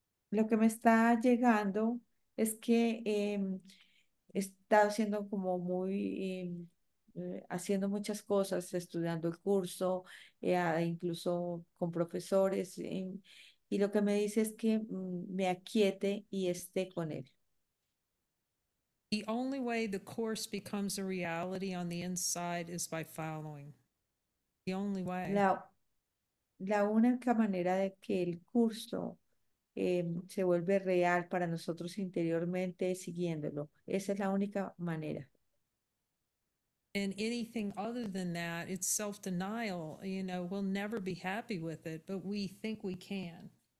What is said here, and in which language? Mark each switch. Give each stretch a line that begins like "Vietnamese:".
Spanish: lo que me está llegando es que está haciendo como muy haciendo muchas cosas, estudiando el curso, incluso con profesores, y lo que me dice es que me aquiete y esté con él.
English: The only way the course becomes a reality on the inside is by following. The only way.
Spanish: La única manera de que el curso se vuelve real para nosotros interiormente siguiéndolo. Esa es la única manera.
English: And anything other than that, it's self-denial. You know, we'll never be happy with it, but we think we can.